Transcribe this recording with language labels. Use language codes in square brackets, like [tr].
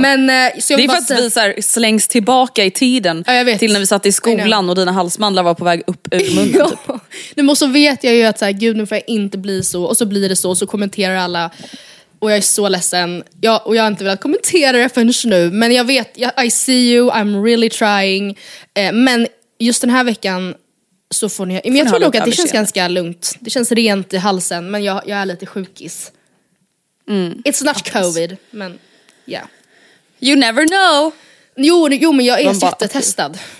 [sv] Men, så jag det är för att vi så här slängs tillbaka i tiden. Ja, jag vet. Till när vi satt i skolan och dina halsmandlar var på väg upp ur munnen. Ja. Typ. Nej, men så vet jag ju att så här, gud, nu får jag inte bli så. Och så blir det så, och så kommenterar alla... Och jag är så ledsen. Jag, och jag har inte velat kommentera det förrän nu. Men jag vet, [en] I see you, I'm really trying. [sv] Men just den här veckan så får ni... Men jag tror dock att det känns ganska lugnt. Det känns rent i halsen, men jag är lite sjukis. Mm. [en] It's not COVID, [sv] men ja. [en] Yeah. You never know. [sv] Jo, men jag är jättetestad.